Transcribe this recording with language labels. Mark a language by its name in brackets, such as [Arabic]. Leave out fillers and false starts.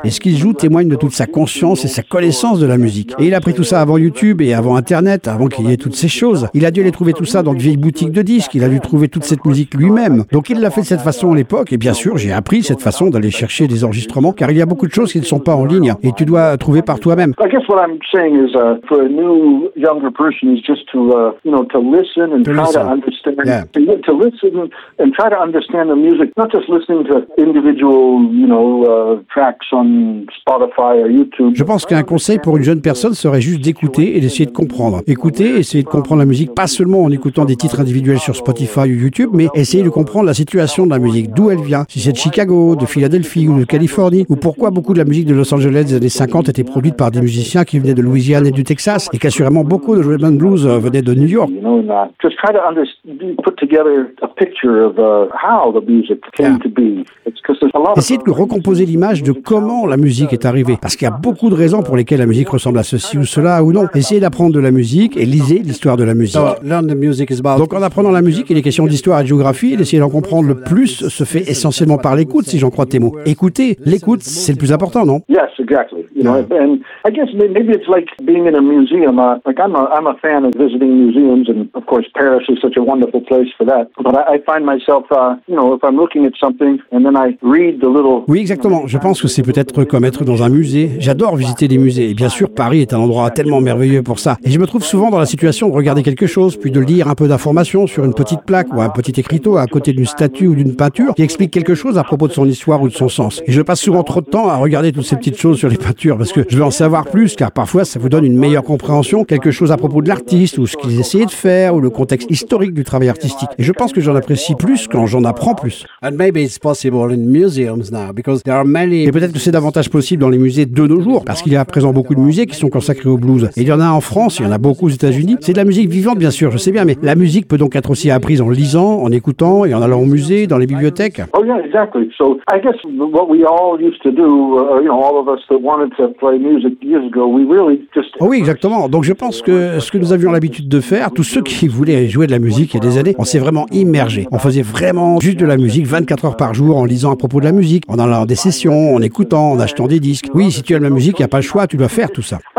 [French] Et ce qu'il joue témoigne de toute sa conscience et sa connaissance de la musique. Et il a pris tout ça avant YouTube et avant Internet, avant qu'il y ait toutes ces choses. Il a dû aller trouver tout ça dans de vieilles boutiques de disques. Il a dû trouver toute cette musique lui-même. Donc il l'a fait de cette façon à l'époque. Et bien sûr, j'ai appris cette façon d'aller chercher des enregistrements, car il y a beaucoup de choses qui ne sont pas en ligne. Et tu dois trouver par toi-même. [English] I guess what I'm saying is for a new younger person is just to to listen and try to understand to listen and try to understand the music, not just listening to individual tracks on Spotify or YouTube. [French] Je pense qu'un conseil pour une jeune personne serait juste d'écouter et d'essayer de comprendre. Écouter et essayer de comprendre la musique, pas seulement en écoutant des titres individuels sur Spotify ou YouTube, mais essayer de comprendre la situation de la musique, d'où elle vient, si c'est de Chicago, de Philadelphie ou de Californie, ou pourquoi beaucoup de la musique de Los Angeles des années 50 était produite par des musiciens qui venaient de Louisiane et du Texas, et qu'assurément beaucoup de rhythm and blues venaient de New York. Just try to put together a picture of how the music came to be. Essayez de recomposer l'image de comment la musique est arrivée, parce qu'il y a beaucoup de raisons pour lesquelles la musique ressemble à ceci ou cela ou non. Essayez d'apprendre de la musique et lisez l'histoire de la musique. Donc en apprenant la musique, il est question d'histoire et de géographie, d'essayer d'en comprendre le plus se fait essentiellement par l'écoute, si j'en crois tes mots. Écoutez, l'écoute, c'est le plus important, non? [English] Yes, exactly. And I guess maybe it's like being in a museum. I'm a fan of visiting museums, and of course Paris is such a wonderful place for that. But I find myself, if I'm looking at something and then I read the little. [French] Oui, exactement. Je pense que c'est peut-être comme être dans un musée. J'adore visiter les musées. Et bien sûr, Paris est un endroit tellement merveilleux pour ça. Et je me trouve souvent dans la situation de regarder quelque chose, puis de lire un peu d'informations sur une petite plaque ou un petit écriteau à côté d'une statue ou d'une peinture qui explique quelque chose à propos de son histoire ou de son sens. Et je passe souvent trop de temps à regarder toutes ces petites choses sur les peintures parce que je veux en savoir plus, car parfois ça vous donne une meilleure compréhension, quelque chose à propos de l'artiste ou ce qu'ils essayaient de faire ou le contexte historique du travail artistique. Et je pense que j'en apprécie plus quand j'en apprends plus. [English] And maybe it's possible in museums now because there are many. [French] Et peut-être que c'est davantage possible dans les musées de nos jours, parce qu'il y a à présent beaucoup de musées qui sont consacrés au blues. Et il y en a en France, il y en a beaucoup aux États-Unis. C'est de la musique vivante, bien sûr, je sais bien, mais la musique peut donc être aussi apprise en lisant, en écoutant et en allant au musée, dans les bibliothèques. [English] Oh yeah, exactly. So I guess what we all used to do, all of us that wanted to play music years ago, we really just. [French] Oh oui, exactement. Donc je pense que ce que nous avions l'habitude de faire, tous ceux qui voulaient jouer de la musique il y a des années, on s'est vraiment immergé. On faisait vraiment juste de la musique 24 heures par jour en lisant à propos de la musique, en allant à des sessions, en écoutant, en achetant des disques. Oui, si tu aimes la musique, il n'y a pas le choix, tu dois faire tout ça.